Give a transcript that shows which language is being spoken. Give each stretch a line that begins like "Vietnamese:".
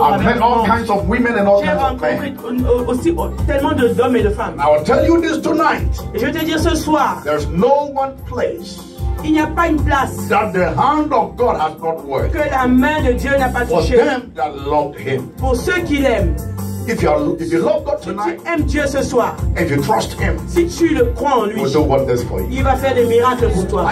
English: I've met all kinds of women and all kinds of men.
French: J'ai rencontré aussi tellement d'hommes et de femmes.
English: I will tell you this tonight.
French: Et je vais te dire ce soir.
English: There's no one place.
French: Il n'y a pas une place.
English: That the hand of God has not worked.
French: Que la main de Dieu n'a pas touché.
English: For them that loved Him.
French: Pour ceux qui l'aiment.
English: If you love God tonight,
French: si tu aimes Dieu ce soir,
English: if you trust Him,
French: si tu le crois en lui,
English: He'll do wonders for you.
French: Il va faire des miracles pour toi.